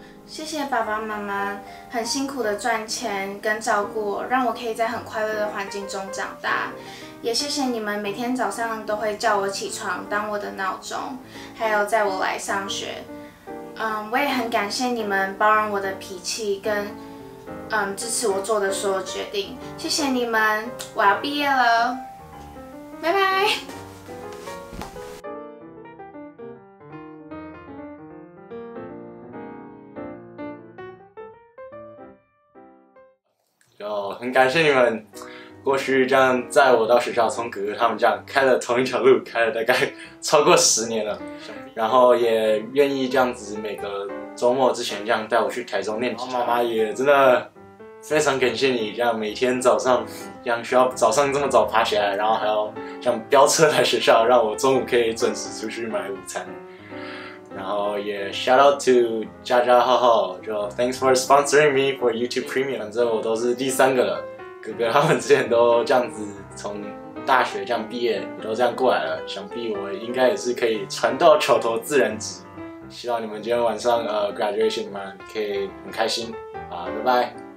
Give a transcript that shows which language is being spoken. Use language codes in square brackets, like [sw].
[en] Thank you, Baba and Mama. It's very hard to earn and care for me, so I can grow up in a happy environment. And thank you for all of you that call me every morning as my alarm, and for coming to school. [zh] 我也很感谢你们包容我的脾气跟支持我做的所有决定，谢谢你们，我要毕业了，拜拜。就很感谢你们过去这样载我到学校，从哥哥他们这样开了同一条路，开了大概超过十年了，然后也愿意这样子每个周末之前这样带我去台中念吉他。妈妈也真的非常感谢你，这样每天早上这样需要早上这么早爬起来，然后还要像飙车来学校，让我中午可以准时出去买午餐。然后也 [en] shout out to [zh] 佳佳浩浩，就 [en] thanks for sponsoring me for YouTube Premium， [zh] 这我都是第三个了。哥哥他们之前都这样子从大学这样毕业，都这样过来了，想必我应该也是可以船到桥头自然直。希望你们今天晚上graduation 你们可以很开心，拜拜。